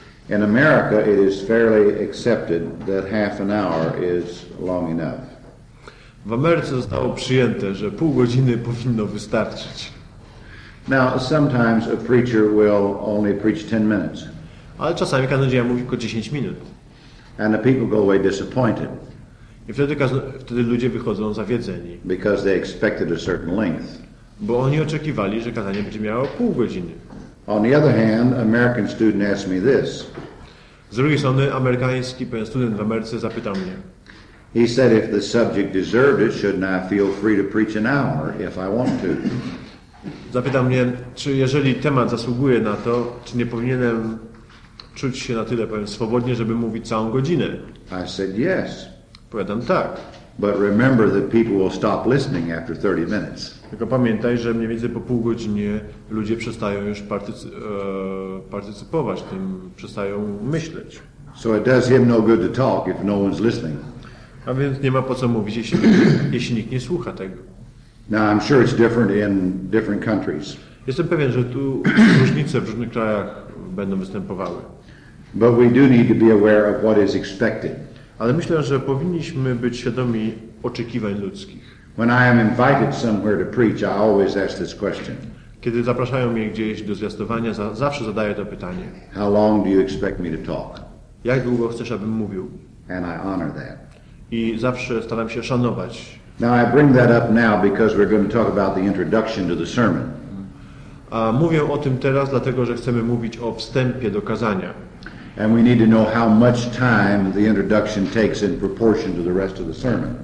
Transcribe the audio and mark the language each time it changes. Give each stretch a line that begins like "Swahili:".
English: In America it is fairly accepted that half an hour is long enough.
Polish: W Ameryce zostało przyjęte, że pół godziny powinno wystarczyć.
English: Now sometimes a preacher will only preach 10 minutes.
Polish: Ale czasami kaznodzieja mówi tylko 10 minut.
English: And the people go away disappointed.
Polish: I wtedy ludzie wychodzą zawiedzeni.
English: Because they expected a certain length.
Polish: Bo oni oczekiwali, że kazanie będzie miało pół godziny.
English: On the other hand, American student asked me this.
Polish: Z drugiej strony, amerykański pewien student w Ameryce zapytał mnie.
English: He said, if the subject deserved it, shouldn't I feel free to preach an hour if I want to?
Polish: Zapytał mnie, czy jeżeli temat zasługuje na to, czy nie powinienem czuć się na tyle, powiem, swobodnie, żeby mówić całą godzinę?
English: I said yes.
Polish: Powiadam tak.
English: But remember that people will stop listening after 30 minutes.
Polish: Tylko pamiętaj, że mniej więcej po pół godzinie ludzie przestają już partycypować tym, przestają myśleć.
English: So it does him no good to talk if no one's listening.
Polish: A więc nie ma po co mówić, jeśli nikt nie słucha tego.
English: Now I'm sure it's different in different countries.
Polish: Jestem pewien, że tu różnice w różnych krajach będą występowały.
English: But we do need to be aware of what is expected.
Polish: Ale myślę, że powinniśmy być świadomi oczekiwań ludzkich.
English: When I am invited somewhere to preach, I always ask this question.
Polish: Kiedy zapraszają mnie gdzieś do zwiastowania, zawsze zadaję to pytanie.
English: How long do you expect me to talk?
Polish: Jak długo chcesz, abym mówił?
English: And I honor that.
Polish: I zawsze staram się szanować.
English: Now I bring that up now because we're going to talk about the introduction to the sermon.
Polish: A mówię o tym teraz, dlatego że chcemy mówić o wstępie do kazania.
English: And we need to know how much time the introduction takes in proportion to the rest of the sermon.